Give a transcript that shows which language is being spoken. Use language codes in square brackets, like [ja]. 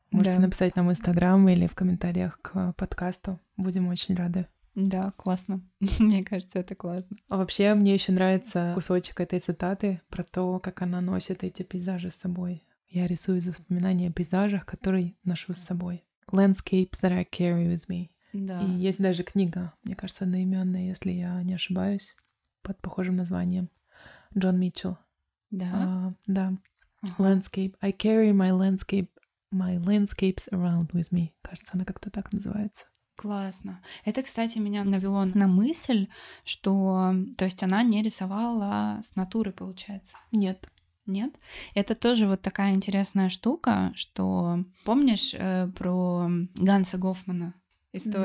[ru] Можете написать нам в Инстаграм или в комментариях к подкасту. Будем очень рады. Да, классно. Мне кажется, это классно. А вообще, мне еще нравится кусочек этой цитаты про то, как она носит эти пейзажи с собой. Я рисую из воспоминаний о пейзажах, которые ношу с собой. [en] Landscapes that I carry with me. [ru] Да. И есть даже книга, мне кажется, одноименная, если я не ошибаюсь, под похожим названием. Джон Митчелл. Да? Да. [en] Uh-huh. Landscape. I carry my landscapes around with me. [ru] Кажется, она как-то так называется. Классно. Это, кстати, меня навело на мысль, что... То есть она не рисовала с натуры, получается? Нет. Нет? Это тоже вот такая интересная штука, что... Помнишь про Ганса Гофмана историю?